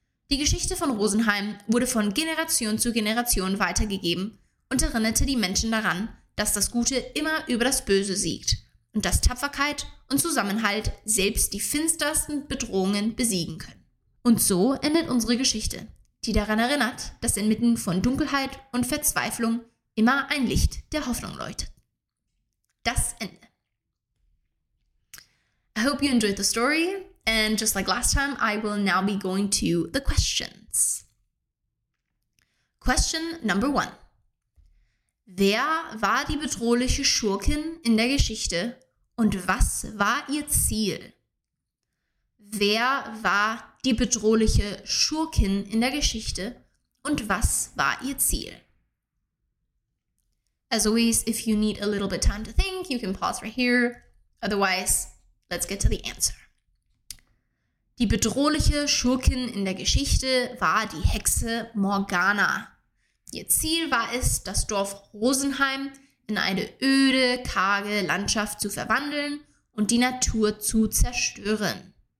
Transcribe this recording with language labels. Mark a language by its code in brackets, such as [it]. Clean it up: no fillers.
[de] Die Geschichte von Rosenheim wurde von Generation zu Generation weitergegeben und erinnerte die Menschen daran, dass das Gute immer über das Böse siegt und dass Tapferkeit und Zusammenhalt selbst die finstersten Bedrohungen besiegen können. Und so endet unsere Geschichte, die daran erinnert, dass inmitten von Dunkelheit und Verzweiflung immer ein Licht der Hoffnung läutet. Das Ende. [en] I hope you enjoyed the story, and just like last time, I will now be going to the questions. Question number one. [de] Wer war die bedrohliche Schurkin in der Geschichte und was war ihr Ziel? Wer war die bedrohliche Schurkin in der Geschichte und was war ihr Ziel? [en] As always, if you need a little bit time to think, you can pause right here. Otherwise, let's get to the answer. [de] Die bedrohliche Schurkin in der Geschichte war die Hexe Morgana. Ihr Ziel war es, das Dorf Rosenheim in eine öde, karge Landschaft zu verwandeln und die Natur zu zerstören.